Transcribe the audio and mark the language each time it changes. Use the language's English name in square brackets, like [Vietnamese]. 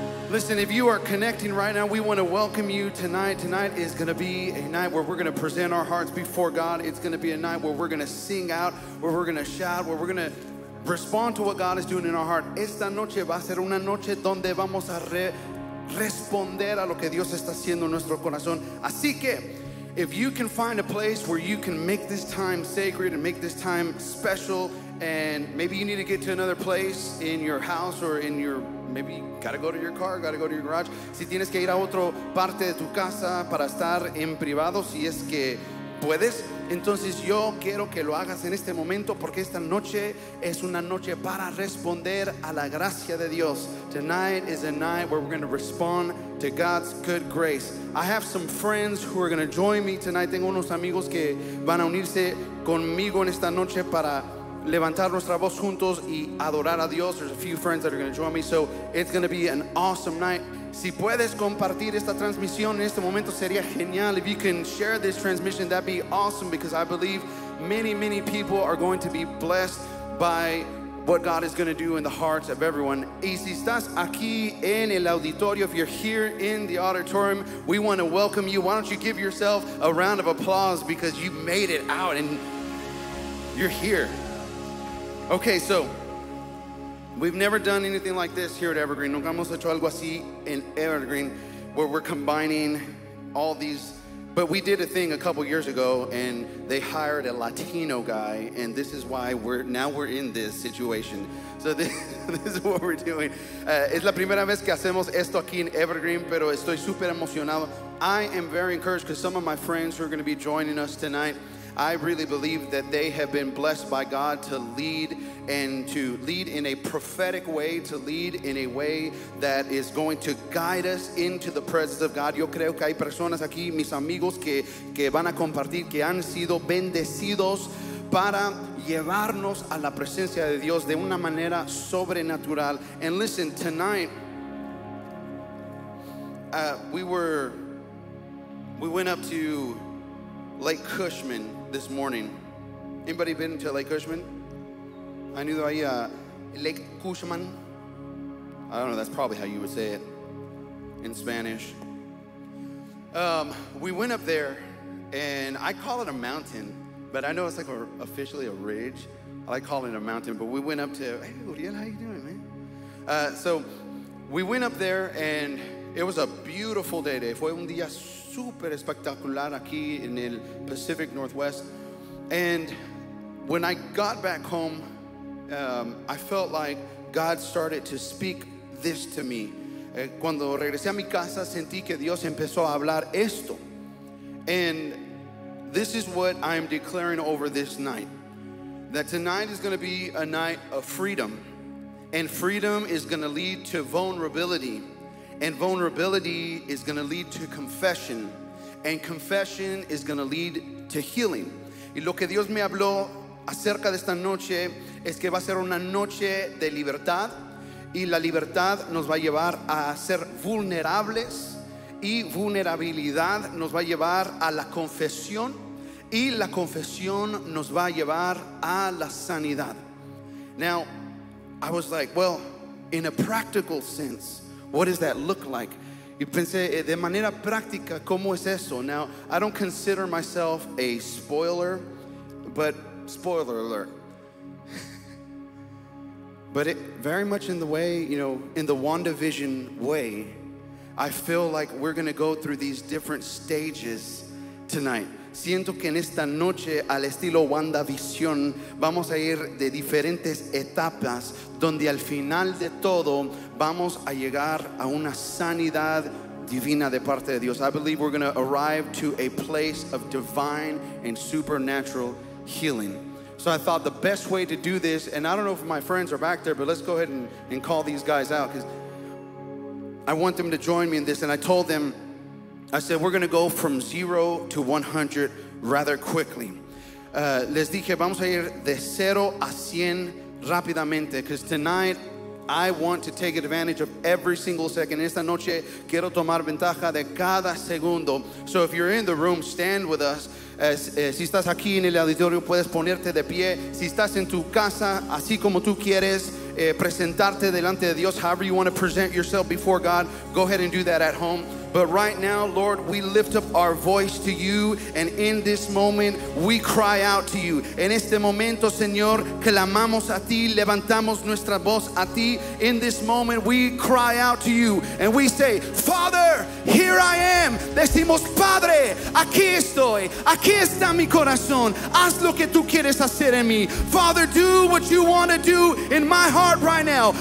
[English] Listen, if you are connecting right now, we want to welcome you tonight. Tonight is going to be a night where we're going to present our hearts before God. It's going to be a night where we're going to sing out, where we're going to shout, where we're going to respond to what God is doing in our heart. [Spanish] Esta noche va a ser una noche donde vamos a responder a lo que Dios está haciendo en nuestro corazón. Así que, [English] if you can find a place where you can make this time sacred and make this time special, and maybe you need to get to another place in your house or in your, maybe gotta go to your car, gotta go to your garage. [Spanish] Si tienes que ir a otra parte de tu casa para estar en privado, si es que puedes, entonces yo quiero que lo hagas en este momento porque esta noche es una noche para responder a la gracia de Dios. [English] Tonight is a night where we're going to respond to God's good grace. I have some friends who are going to join me tonight. [Spanish] Tengo unos amigos que van a unirse conmigo en esta noche para levantar nuestra voz juntos y adorar a Dios. [English] There's a few friends that are going to join me, so it's going to be an awesome night. [Spanish] Si puedes compartir esta transmisión en este momento, sería genial. [English] If you can share this transmission, that'd be awesome, because I believe many, many people are going to be blessed by what God is going to do in the hearts of everyone. [Spanish] Y si estás aquí en el auditorio, [English] if you're here in the auditorium, we want to welcome you. Why don't you give yourself a round of applause, because you made it out and you're here. Okay, so we've never done anything like this here at Evergreen. [Spanish] Nunca hemos hecho algo así en Evergreen, [English] where we're combining all these. But we did a thing a couple years ago, and they hired a Latino guy, and this is why we're in this situation. So this is what we're doing. [Spanish] Es la primera vez que hacemos esto aquí en Evergreen, pero estoy super emocionado. [English] I am very encouraged because some of my friends who are going to be joining us tonight, I really believe that they have been blessed by God to lead and to lead in a prophetic way, to lead in a way that is going to guide us into the presence of God. [Spanish] Yo creo que hay personas aquí, mis amigos, que van a compartir, que han sido bendecidos para llevarnos a la presencia de Dios de una manera sobrenatural. [English] And listen, tonight, we went up to Lake Cushman this morning. Anybody been to Lake Cushman? I knew that Lake Cushman. I don't know, that's probably how you would say it in Spanish. We went up there, and I call it a mountain, but I know it's like officially a ridge. I like calling it a mountain, but we went up to, hey, Uriel, how you doing, man? So we went up there, and it was a beautiful day. [Spanish] Fue un día super espectacular aquí [English] in the Pacific Northwest. And when I got back home, I felt like God started to speak this to me. [Spanish] Cuando regresé a mi casa, sentí que Dios empezó a hablar esto. [English] And this is what I am declaring over this night. That tonight is going to be a night of freedom. And freedom is going to lead to vulnerability. And vulnerability is going to lead to confession. And confession is going to lead to healing. [Spanish] Y lo que Dios me habló acerca de esta noche es que va a ser una noche de libertad, y la libertad nos va a llevar a ser vulnerables, y vulnerabilidad nos va a llevar a la confesión, y la confesión nos va a llevar a la sanidad. [English] Now, I was like, well, in a practical sense, what does that look like? [Spanish] Y pensé, de manera práctica, ¿cómo es eso? [English] Now, I don't consider myself a spoiler, but spoiler alert. But it very much in the way, you know, in the WandaVision way, I feel like we're going to go through these different stages tonight. [Spanish] Siento que en esta noche, al estilo WandaVision, vamos a ir de diferentes etapas donde al final de todo vamos a llegar a una sanidad divina de parte de Dios. [English] I believe we're going to arrive to a place of divine and supernatural healing. So I thought the best way to do this, and I don't know if my friends are back there, but let's go ahead and call these guys out, because I want them to join me in this. And I told them, I said, we're going to go from 0 to 100 rather quickly. [Spanish] Les dije, vamos a ir de 0 a 100 rápidamente, [English] because tonight I want to take advantage of every single second. [Spanish] Esta noche quiero tomar ventaja de cada segundo. [English] So if you're in the room, stand with us. [Spanish] Si estás aquí en el auditorio, puedes ponerte de pie. Si estás en tu casa, así como tú quieres presentarte delante de Dios, [English] however you want to present yourself before God, go ahead and do that at home. But right now, Lord, we lift up our voice to you, and in this moment, we cry out to you. [Spanish] En este momento, Señor, clamamos a ti, levantamos nuestra voz a ti. [English] In this moment, we cry out to you, and we say, Father, here I am. [Spanish] Decimos, Padre, aquí estoy, aquí está mi corazón. Haz lo que tú quieres hacer en mí. [English] Father, do what you want to do in my heart right now.